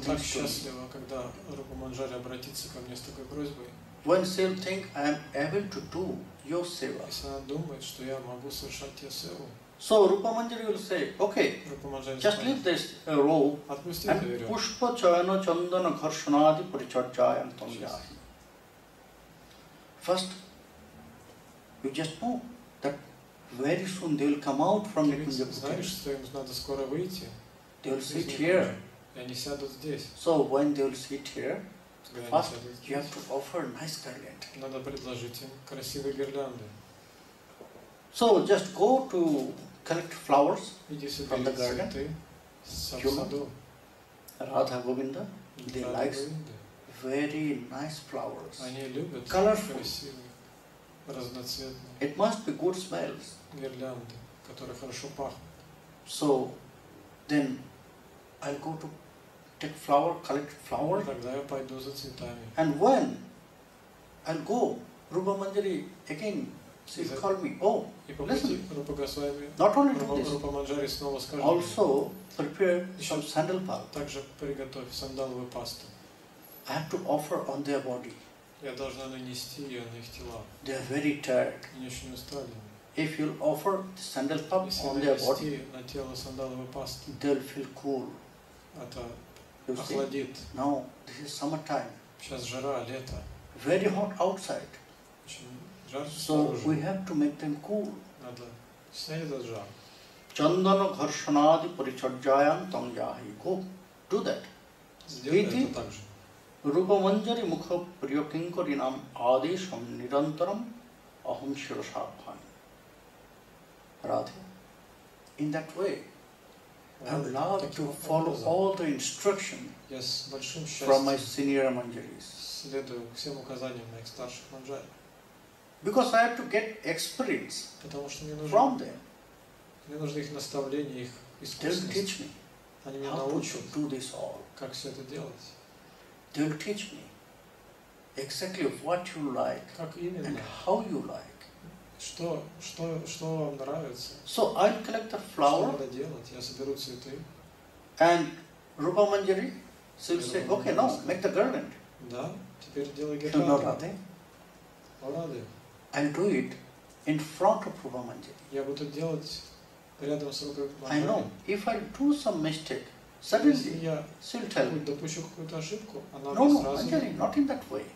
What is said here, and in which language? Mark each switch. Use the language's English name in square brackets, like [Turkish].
[Russian] Так счастлива, когда Рупа Манджари обратится ко мне с такой просьбой. [English] When still think I am able to do your seva. [Russian] Если она думает, что я могу совершать тебе севу. [English] So Rupa Manjari will say, okay. Rupa Manjari. Just leave this robe. [Russian] Отпусти эту веревку. [Sanskrit] Пушпа чаяно чандана гаршнади паричарчаян тамья. [English] First, you just know that very soon they will come out from Никунджа Пхукхи. [Russian] Ты знаешь, что им надо скоро выйти? [English] They will sit here. [Russian] И они сядут здесь. [English] So when they will sit here, first you have to offer nice garland. [Russian] Надо предложить им красивые гирлянды. [English] So just go to collect flowers from the garden. Radha Govinda, they like very nice flowers. [Russian] Они любят [English] colorful, [Russian] красивые, разноцветные. [English] It must be good smells. [Russian] Гирлянды, которые хорошо пахнут. [English] So then I'll go to take flower, collect flower. [Russian] Тогда я пойду за цветами. [English] And when I'll go, Rupa Manjari again. She called me. Oh, listen. Not only do this. [Russian] Rupa Manjari снова скажет. [English] Also prepare some sandalpa. [Russian] Также приготовь сандаловую пасту. [English] I have to offer on their body. [Russian] Я должна нанести ее на их тела. [English] They are very tired. [Russian] Они очень устали. [English] If you offer the sandalpa on their body, [Russian] на тело сандаловую пасту, [English] they'll feel cool. [Russian] Это охладит. [English] No, this is summertime. [Russian] Сейчас жара, лето. [English] Very hot outside. So we have to make them cool. [Russian] Надо снять этот жар. [Sanskrit] Чандан гаршанади паричарджаян там яхи. [English] Go. Do that. [Russian] Сделай это так же. [Sanskrit] Рупа манджари мукха приокинкари нам адишам нирантарам ахам широшабхани. Радхи. [English] In that way, I would love to follow all the instructions from my senior manjaris. [Russian] Следую всем указаниям моих старших манджари. [English] Because I have to get experience [Russian] потому что мне нужно, [English] from them. [Russian] Мне нужно их наставление, их искусство. [English] Teach me. [Russian] Они меня научат [English] do this all. [Russian] Как все это делать. [English] They'll teach me exactly what you like and how you like. [Russian] Что вам нравится? [English] So I'll collect the flower. [Russian] Что надо делать? Я соберу цветы. [English] And Rupa Manjari will say, okay, now make the garland. [Russian] Да, теперь делай гирлянду. [English] No, Radhe. Radhe. I'll do it in front of Rupa Manjari. [Russian] Я буду делать рядом с Рупа Манджари. [English] I know. If I do some mistake, suddenly she'll tell me. [Russian] Допущу какую-то ошибку, она [English] no, Manjari, not in that way.